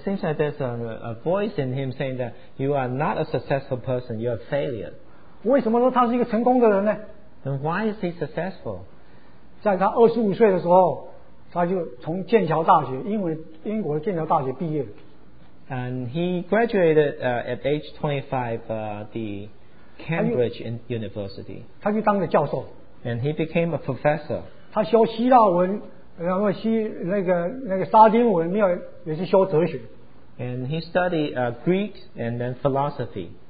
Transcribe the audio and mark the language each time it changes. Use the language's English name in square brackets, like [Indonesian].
[English] seems like there's a voice in him saying that you are not a successful person, you're a failure. [Chinese] 为什么说他是一个成功的人呢？ [English] Then why is he successful? [Chinese] 在他25岁的时候，他就从剑桥大学，英国的剑桥大学毕业。 [English] And he graduated at age 25, the Cambridge University. [Chinese] 他就当了教授。 [English] And he became a professor. [Chinese] 他修希腊文，然后修那个沙丁文，没有也是修哲学。 [English] And he studied Greek and then philosophy.